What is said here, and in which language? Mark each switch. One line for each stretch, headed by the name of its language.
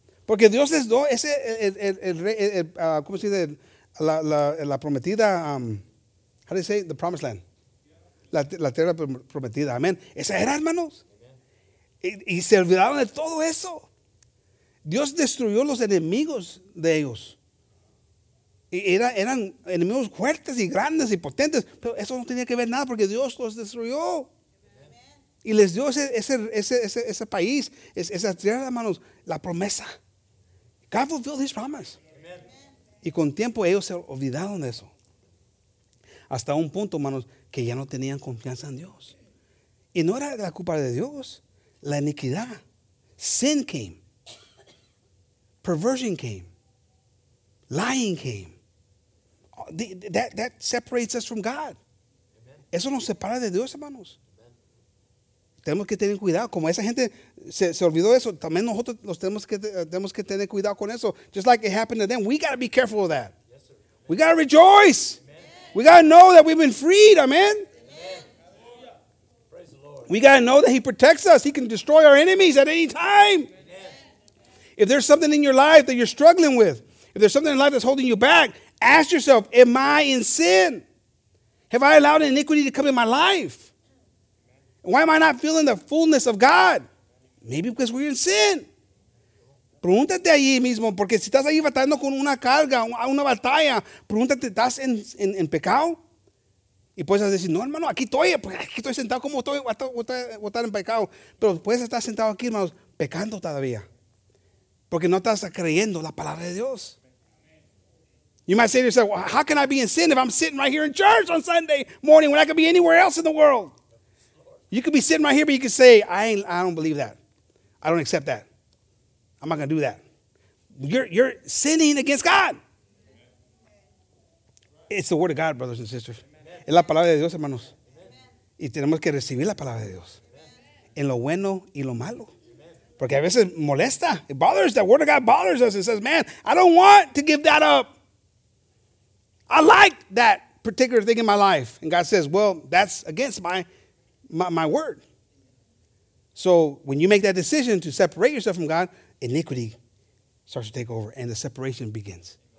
Spanish: Porque Dios les dio ese, ¿cómo se dice? La prometida,
English: how do you say? The promised land.
Spanish: La tierra prometida, amén. Esa era, hermanos. Y se olvidaron de todo eso. Dios destruyó los enemigos de ellos. Y eran enemigos fuertes y grandes y potentes. Pero eso no tenía que ver nada porque Dios los destruyó. Amen. Y les dio ese país, esa tierra, hermanos, la promesa.
English: God fulfilled his promise.
Spanish: Amen. Y con tiempo ellos se olvidaron de eso. Hasta un punto, hermanos, que ya no tenían confianza en Dios. Y no era la culpa de Dios. La iniquidad.
English: Sin came. Perversion came. Lying came. That separates us from God.
Spanish: Amen. Eso nos separa de Dios, hermanos. Amen. Tenemos que tener cuidado. Como esa gente se olvidó eso, también nosotros tenemos que tener cuidado con eso.
English: Just like it happened to them, we got to be careful of that. Yes, sir. Amen. We got to rejoice. We got to know that we've been freed. Amen. Amen. We got to know that he protects us. He can destroy our enemies at any time. Amen. If there's something in your life that you're struggling with, if there's something in life that's holding you back, ask yourself, am I in sin? Have I allowed iniquity to come in my life? Why am I not feeling the fullness of God? Maybe because we're in sin.
Spanish: Pregúntate allí mismo, porque si estás ahí batallando con una carga, una batalla, pregúntate, ¿estás en pecado? Y puedes decir, no, hermano, aquí estoy sentado como estoy, voy a estar en pecado. Pero puedes estar sentado aquí, hermanos, pecando todavía. Porque no estás creyendo la palabra de Dios.
English: You might say to yourself, well, how can I be in sin if I'm sitting right here in church on Sunday morning when I could be anywhere else in the world? You could be sitting right here, but you could say, I don't believe that. I don't accept that. I'm not going to do that. You're sinning against God. It's the word of God, brothers and sisters.
Spanish: Es la palabra de Dios, hermanos. Y tenemos que recibir la palabra de Dios. En lo bueno y lo malo. Porque a veces molesta.
English: It bothers. The word of God bothers us. It says, man, I don't want to give that up. I like that particular thing in my life. And God says, well, that's against my word. So when you make that decision to separate yourself from God, iniquity starts to take over and the separation begins.